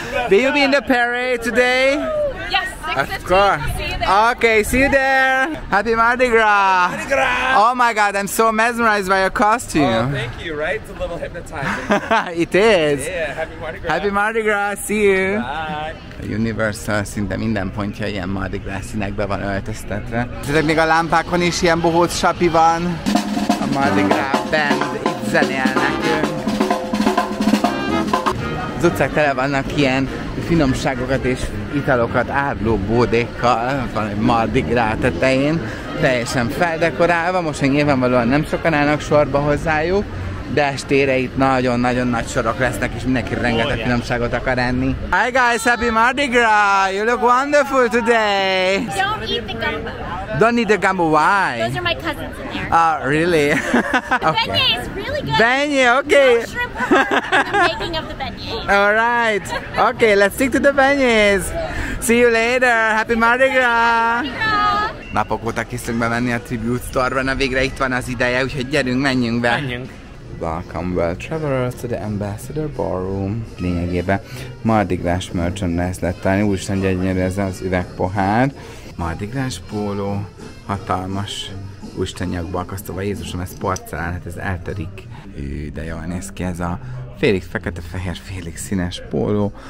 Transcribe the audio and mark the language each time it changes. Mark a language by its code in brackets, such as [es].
[en] Will you be in the parade today? Yes, 6:15. Okay, see you there. Happy Mardi Gras. Mardi Gras. Oh my God, I'm so mesmerized by your costume. Oh, thank you, right? It's a little hypnotizing. It is. Yeah, happy Mardi Gras. Happy Mardi Gras, see you. Bye. [hu] A Universal szinte minden pontja ilyen Mardi Gras színekbe van öltöztetve. Tudod, még a lámpákon is ilyen bohóc sapi van. A Mardi Gras band itt zenél nekünk. Az utcák tele vannak ilyen finomságokat és italokat árló bódékkal, van egy Mardi Gras tetején, teljesen feldekorálva, most még nyilvánvalóan nem sokan állnak sorba hozzájuk, de estére itt nagyon-nagyon nagy sorok lesznek, és mindenki rengeteg finomságot akar enni. [en] Hi guys, happy Mardi Gras! You look wonderful today! Don't eat the gumbo. Don't eat the gumbo, why? Those are my cousins in here. Oh, really? Okay. The beignet is really good! Beignet, okay! No shrimp or the making of the beignet. Alright, okay, let's stick to the beignets. See you later, happy Mardi Gras! [hu] Napok óta készülünk bemenni a Tribute Store-ban, na végre itt van az ideje, úgyhogy gyerünk, menjünk be! Menjünk! [en] Welcome, well travelers to the Ambassador Ballroom. [hu] Lényegében Mardi Gras merchandise lett találni. Úristen, gyönyörű ez az üvegpohár. Mardi Gras póló, hatalmas Úristen nyakba akasztóval. Jézusom, ez porcelán, hát ez eltörik. Ő, de jól néz ki ez a félig fekete-fehér, félig színes póló.